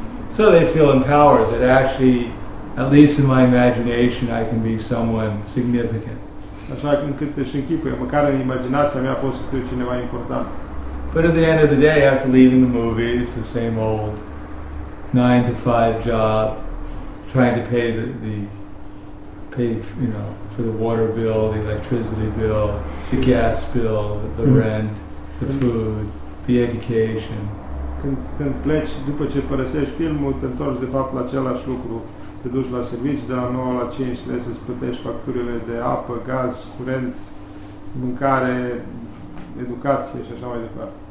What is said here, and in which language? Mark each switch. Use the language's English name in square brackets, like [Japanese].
[English] So they feel empowered that actually, at least in my imagination, I can be someone significant. [Romanian] așa încât își închipuie, măcar în imaginația mea a fost că cineva important. [English] But at the end of the day, after leaving the movie, it's the same old 9-to-5 job, trying to pay for the water bill, the electricity bill, the gas bill, the rent, the food, the education. [Romanian] Când pleci, după ce părăsești filmul, te întorci de fapt la același lucru. Te duci la servici, de la 9 la 5 trebuie să-ți plătești facturile de apă, gaz, curent, mâncare, educație și așa mai departe.